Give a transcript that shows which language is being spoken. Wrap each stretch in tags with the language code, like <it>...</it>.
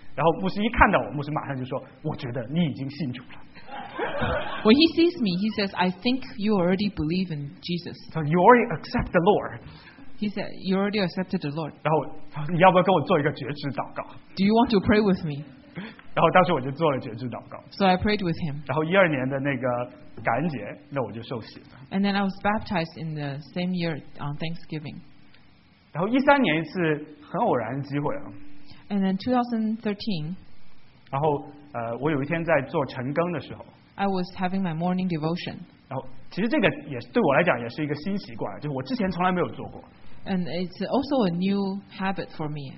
<zh>然后牧师一看到我，牧师马上就说：“我觉得你已经信主了。</zh> <en>”When he sees me, he says, "I think you already believe in Jesus." So you already accept the Lord. He said, "You already accepted the Lord."</en> <zh>然后他说：“你要不要跟我做一个决志祷告</zh> <en>？”Do you want to pray with me?</en> <zh>然后当时我就做了决志祷告。</zh> <en>So I prayed with him.</en> <zh>然后一二年的那个感恩节，那我就受洗了。</zh> <en>And then I was baptized in the same year on Thanksgiving.</en> <zh>然后一三年是很偶然的机会啊。</zh> <en>And then 2013.</en> <zh>然后我有一天在做晨更的时候。</zh> <en>I was having my morning devotion.</en> <zh>然后其实这个也对我来讲也是一个新习惯，就是我之前从来没有做过。</zh> <en>And it's also a new habit for me.</en>